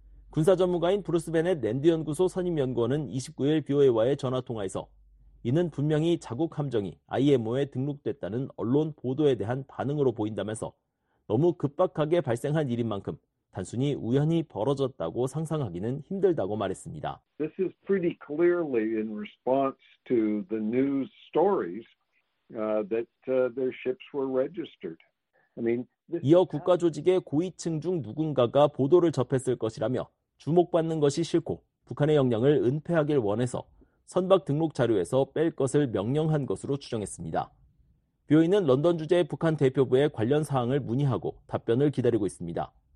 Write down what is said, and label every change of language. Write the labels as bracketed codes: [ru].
[ko] 군사 전문가인 브루스 베넷 랜드 연구소 선임 연구원은 29일 BOA와의 전화 통화에서 이는 분명히 자국 함정이 IMO에 등록됐다는 언론 보도에 대한 반응으로 보인다면서 너무 급박하게 발생한 일인 만큼 단순히 우연히 벌어졌다고 상상하기는 힘들다고 말했습니다. [en] This is pretty clearly in response to the news stories that their ships were registered. I mean, this [ko] 이어 국가 조직의 고위층 중 누군가가 보도를 접했을 것이라며 주목받는 것이 싫고 북한의 역량을 은폐하길 원해서 선박 등록 자료에서 뺄 것을 명령한 것으로 추정했습니다. 뷰오이는 런던 주재 북한 대표부에 관련 사항을 문의하고 답변을 기다리고 있습니다.